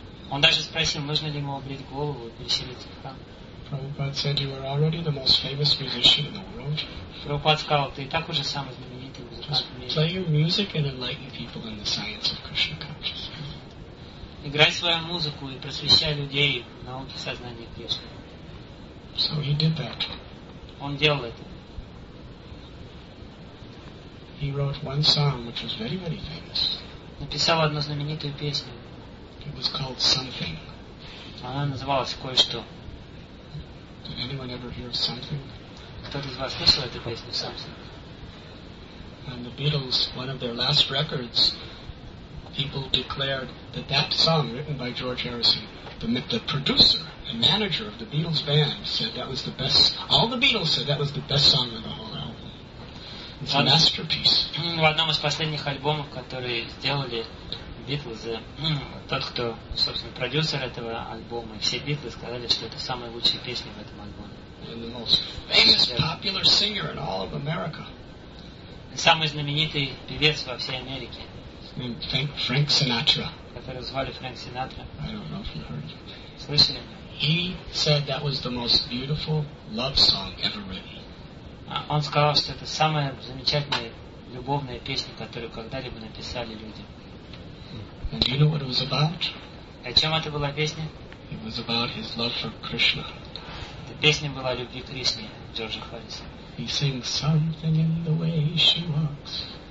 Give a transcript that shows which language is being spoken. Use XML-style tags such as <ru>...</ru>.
<ru>Он даже спросил, нужно ли ему обрить голову и переселиться в храм.</ru> <en>Prabhupada said, "You are already the most famous musician in the world."</en> <ru>Prabhupada сказал, ты и так уже самый знаменитый музыкант в мире.</ru> <en>Play your music and enlighten people in the science of Krishna consciousness.</en> <ru>Играй свою музыку и просвещай людей в науке сознания Кришны.</ru> <en>So he did that.</en> <ru>Он делал это.</ru> <en>He wrote one song which was very, very famous.</en> <ru>Написал одну знаменитую песню.</ru> <en>It was called Something.</en> <ru>Она называлась «Кое-что».</ru> <en>Did anyone ever hear Something?</en> <ru>Кто-то из вас слышал эту песню Something?</ru> <en>And the Beatles, one of their last records, people declared that that song written by George Harrison, the producer and manager of the Beatles band said that was the best, all the Beatles said that was the best song of the whole album. It's a masterpiece.</en> <ru>В одном из последних альбомов, которые сделали Beatles, тот, кто, собственно, продюсер этого альбома, и все Beatles сказали, что это самая лучшая песня в этом альбоме.</ru> <en>And the most famous popular singer in all of America.</en> <ru>Самый знаменитый певец во всей Америке.</ru> <en>Frank Sinatra.</en> <ru>Которого звали Фрэнк Синатра.</ru> <en>I don't know if you heard.</en> <ru>Слышали?</ru> <en>He said that was the most beautiful love song ever written.</en> <ru>Он сказал, что это самая замечательная любовная песня, которую когда-либо написали люди.</ru> <en>And do you know what it was about?</en> <ru>О чем это была песня?</ru> <en>It was about his love for Krishna.</en> <ru>Эта песня была о любви к Кришне, Джорджа Харрисона.</ru> <en>He sings something in the way she walks.</en>